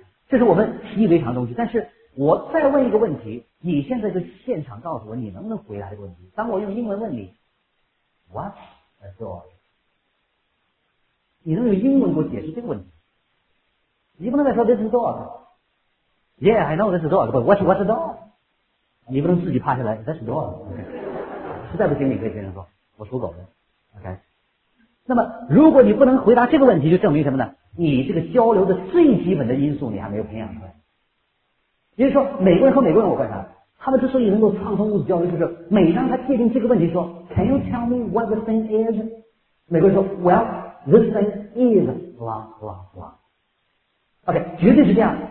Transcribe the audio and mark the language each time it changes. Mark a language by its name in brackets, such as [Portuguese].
[Chinese] 这是我们习以为常的东西。但是我再问一个问题，你现在就现场告诉我你能不能回答这个问题。当我用英文问你 [English] What's a dog? [Chinese] 你能用英文给我解释这个问题？你不能再说 [English] This is a dog. Yeah, I know this is a dog, but what's a dog? [Chinese] 你不能自己趴下来 [English] That's dog、okay. [Chinese] 实在不行你可以跟人说我属狗的 OK。那么如果你不能回答这个问题，就证明什么呢？你这个交流的最基本的因素你还没有培养出来。也就是说美国人和美国人我观察，他们之所以能够畅通无阻交流，就是每当他界定这个问题说 [English] Can you tell me what the thing is， [Chinese] 美国人说 [English] Well this thing is blah blah blah OK， [Chinese] 绝对是这样。